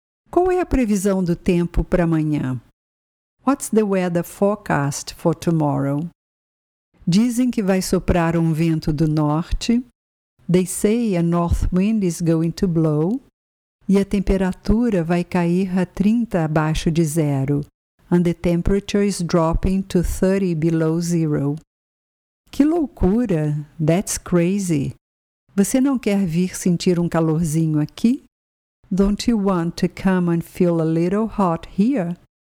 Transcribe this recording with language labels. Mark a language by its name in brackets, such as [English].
[Portuguese] Qual é a previsão do tempo para amanhã? [English] What's the weather forecast for tomorrow? [Portuguese] Dizem que vai soprar um vento do norte. [English] They say a north wind is going to blow. [Portuguese] E a temperatura vai cair a 30 abaixo de zero. [English] And the temperature is dropping to 30 below zero. [Portuguese] Que loucura! [English] That's crazy! [Portuguese] Você não quer vir sentir um calorzinho aqui? [English] Don't you want to come and feel a little hot here?